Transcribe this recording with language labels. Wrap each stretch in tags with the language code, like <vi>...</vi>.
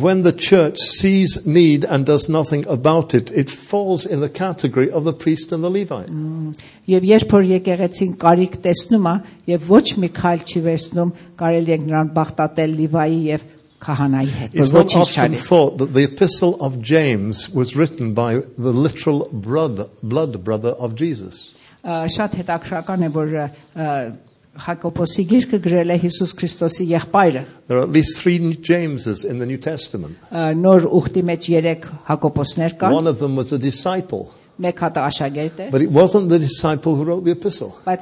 <en>when the church sees need and does nothing about it, it falls in the category of the priest and the Levite.</en> <hy>Եվ երբ որ եկեղեցին կարիք տեսնում է եւ ոչ մի քայլ չի վերցնում, կարելի է նրան բախտատել լիվայի եւ քահանայի հետ։</hy> <en>It's not often thought that the epistle of James was written by the literal blood brother of Jesus.</en> <hy>Շատ հետաքրական է, որ Հակոբոսի գիրքը գրել է Հիսուս Քրիստոսի եղբայրը։</hy> <en>There are at least 3 Jameses in the New Testament.</en> <hy>Նոր ուղտի մեջ 3 Հակոբոսներ կան։</hy> <en>One of them was a disciple. But it wasn't the disciple who wrote the epistle.</en>